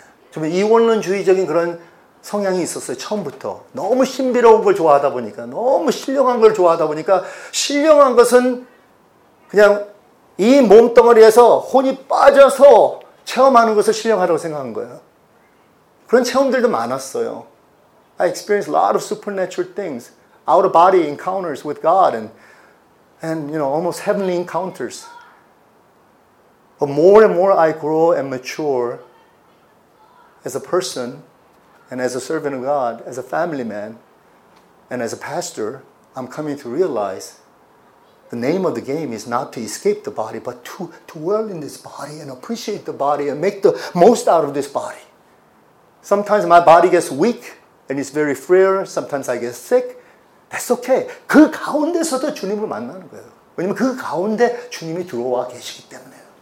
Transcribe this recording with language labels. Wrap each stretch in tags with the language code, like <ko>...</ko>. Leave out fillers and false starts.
<ko>좀 이원론주의적인 그런 성향이 있었어요. 처음부터 너무 신비로운 걸 좋아하다 보니까 너무 신령한 걸 좋아하다 보니까 신령한 것은 그냥 이 몸덩어리에서 혼이 빠져서 체험하는 것을 신령하다고 생각한 거예요. 그런 체험들도 많았어요.</ko> <en>I experienced a lot of supernatural things, out of body encounters with God and you know almost heavenly encounters. But more and more I grow and mature as a person and as a servant of God, as a family man, and as a pastor, I'm coming to realize the name of the game is not to escape the body, but to dwell in this body and appreciate the body and make the most out of this body. Sometimes my body gets weak and it's very frail. Sometimes I get sick. That's okay.</en> <ko>그 가운데서도 주님을 만나는 거예요. 왜냐면 그 가운데 주님이 들어와 계시기 때문에.</ko>